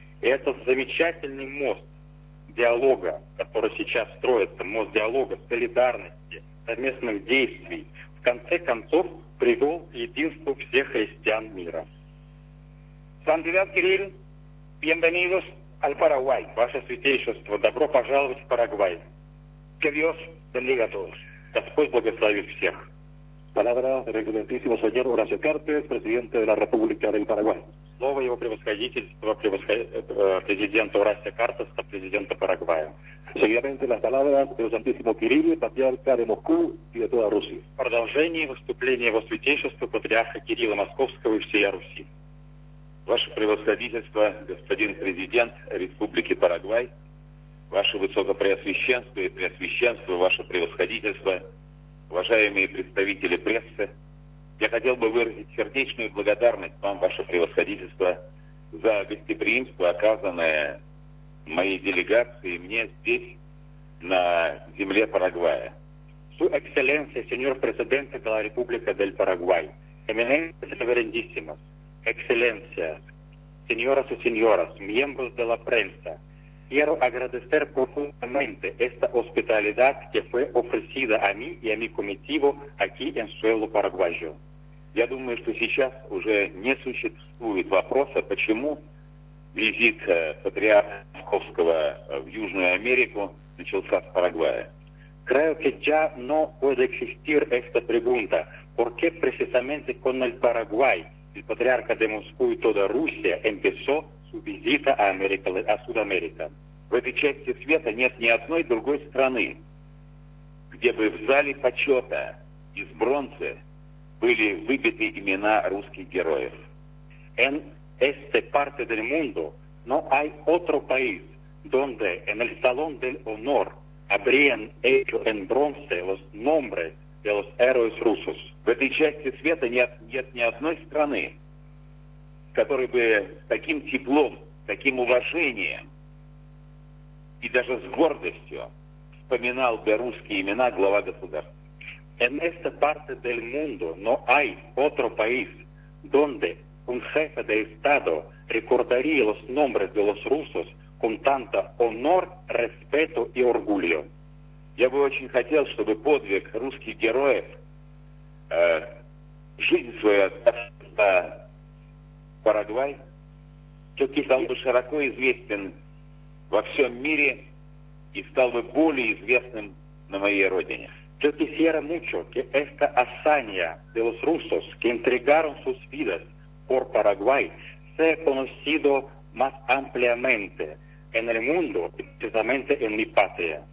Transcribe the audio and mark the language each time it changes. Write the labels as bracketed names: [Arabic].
[Russian] этот замечательный мост диалога, который сейчас строится, мост диалога, солидарности, совместных действий, в конце концов привел к единству всех христиан мира. [Spanish] Сандидат Кирилл, bienvenidos al Paraguay. [Russian] Ваше святейшество, добро пожаловать в Парагвай. [Spanish] Que Dios bendiga a todos. [Russian] Господь благословит всех. [Spanish] Palabra del excelentísimo señor Horacio Cartes, presidente de la República del Paraguay. [Russian] Слово его превосходительства, президента Урасия Картеса, президента Парагвая. [Spanish] Seguidamente las palabras del Santísimo Кирилл, [Russian] патриарха [Spanish] de Moscú y de toda Rusia. [Russian] Продолжение выступления его святейшества, патриарха Кирилла Московского и всей Руси. Ваше превосходительство, господин президент Республики Парагвай, ваше высокопреосвященство и преосвященство, ваше превосходительство, уважаемые представители прессы, я хотел бы выразить сердечную благодарность вам, ваше превосходительство, за гостеприимство, оказанное моей делегацией мне здесь, на земле Парагвая. [Spanish] Su excelencia, señor presidente de la República del Paraguay, eminencia reverendísima, excelencia, señoras y señores, miembros de la prensa, quiero agradecer profundamente esta hospitalidad que fue ofrecida a mí y a mi comitivo aquí en suelo paraguayo. [Russian] Я думаю, что сейчас уже не существует вопроса, почему визит патриарха Московского в Южную Америку начался с Парагвая. [Spanish] Creo que ya no puede existir esta pregunta. ¿Por qué precisamente con el Paraguay, el patriarca de Moscú y toda Rusia empezó su visita a América, a Sudamérica? [Russian] В этой части света нет ни одной другой страны, где бы в зале почета из бронзы были выбиты имена русских героев. [Spanish] En esta parte del mundo no hay otro país donde en el salón del honor habrían hecho en bronce los nombres de los héroes rusos. [Russian] В этой части света нет ни одной страны, которая бы с таким теплом, таким уважением и даже с гордостью вспоминал бы русские имена глава государства. [Spanish] En esta parte del mundo no hay otro país donde un jefe de Estado recordaría los nombres de los rusos con tanto honor, respeto y orgullo. [Russian] Я бы очень хотел, чтобы подвиг русских героев, жизнь свою отдавшись Парагвай, стал бы широко известен во всем мире и стал бы более известным на моей родине. [Spanish] Yo quisiera mucho que esta hazaña de los rusos que entregaron sus vidas por Paraguay sea conocido más ampliamente en el mundo, precisamente en mi patria.